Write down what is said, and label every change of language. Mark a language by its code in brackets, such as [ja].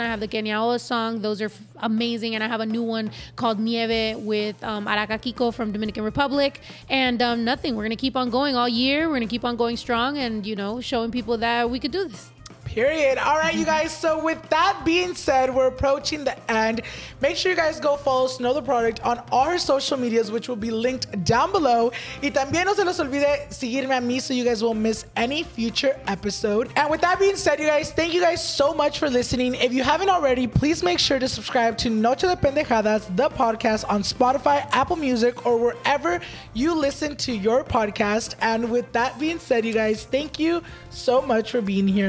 [en] I have the Kenyaoa song. Those are amazing. And I have a new one called Nieve with Araka Kiko from Dominican Republic. And nothing. We're going to keep on going all year. We're going to keep on going strong and, you know, showing people that we could do this. Period. All right, you guys. So with that being said, we're approaching the end. Make sure you guys go follow Snow the Product on all her social medias, which will be linked down below. [es] Y también no se les olvide seguirme a mí [en] so you guys won't miss any future episode. And with that being said, you guys, thank you guys so much for listening. If you haven't already, please make sure to subscribe to Noche de Pendejadas, the podcast on Spotify, Apple Music, or wherever you listen to your podcast. And with that being said, you guys, thank you so much for being here.